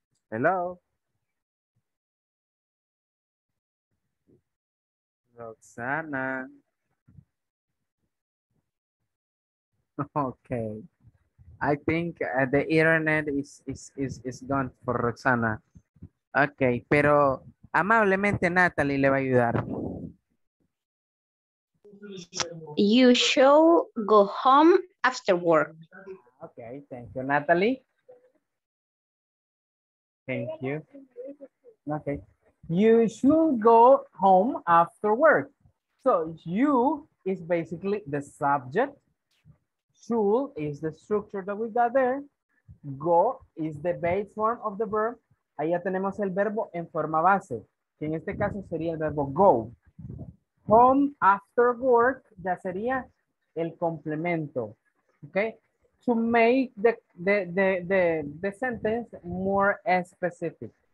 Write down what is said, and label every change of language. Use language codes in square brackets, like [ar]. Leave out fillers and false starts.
[en] Hello? Roxana? Okay. I think the internet is gone for Roxana. [es] Okay, pero amablemente Natalie le va a ayudar. [en] You should go home after work. Okay, thank you, Natalie. Thank you. Okay. You should go home after work. So you is basically the subject. Should is the structure that we got there. Go is the base form of the verb. [es] Ahí ya tenemos el verbo en forma base, que en este caso sería el verbo go. [en] Home after work [es] ya sería el complemento. Okay? [en] To make the sentence more specific.